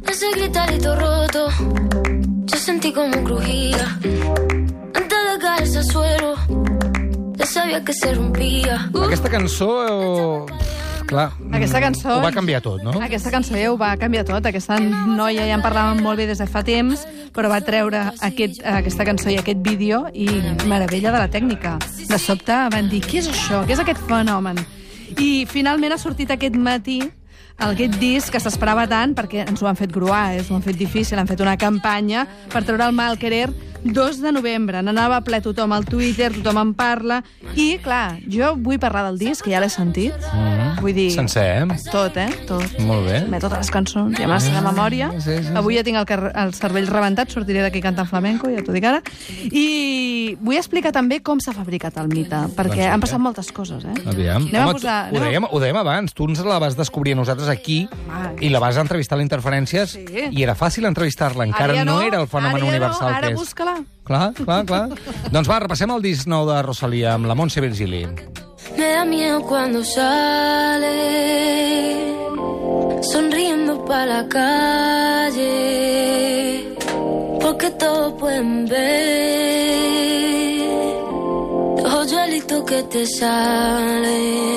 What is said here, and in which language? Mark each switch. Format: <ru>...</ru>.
<es>Ese gritarito roto, yo sentí como crujía. Antes de caerse al suelo, ya sabía que se rompía.</es> <ca>Aquesta cançó... Clar, aquesta cançó ho va canviar tot, no? Aquesta cançó ja ho va canviar tot. Aquesta noia ja en parlàvem molt bé des de fa temps, però va treure aquesta cançó i aquest vídeo i meravella de la tècnica. De sobte van dir, què és això? Què és aquest fenomen? I finalment ha sortit aquest matí aquest disc que s'esperava tant perquè ens ho han fet gruar, ens ho han fet difícil, han fet una campanya per treure El mal querer 2 de novembre. N'anava a ple tothom al Twitter, tothom en parla. I, clar, jo vull parlar del disc, que ja l'he sentit. Vull dir... Sencer, tot, tot. Molt bé. Amb totes les cançons, ja massa de memòria. Sí, sí, sí. Avui ja tinc el cervell rebentat, sortiré d'aquí cantant flamenco, ja t'ho dic ara. I vull explicar també com s'ha fabricat el mite, perquè doncs, han passat moltes coses, Aviam. Ho dèiem abans, tu ens la vas descobrir a nosaltres aquí i la vas entrevistar a l'Interferències i era fàcil entrevistar-la, encara no era el fenomen universal ara que és. Clar. Doncs va, repassem el disc nou de Rosalía amb la Montse Virgili.</ca> <es>Me da miedo cuando sale sonriendo pa la calle porque todos pueden ver el joyelito que te sale.</es>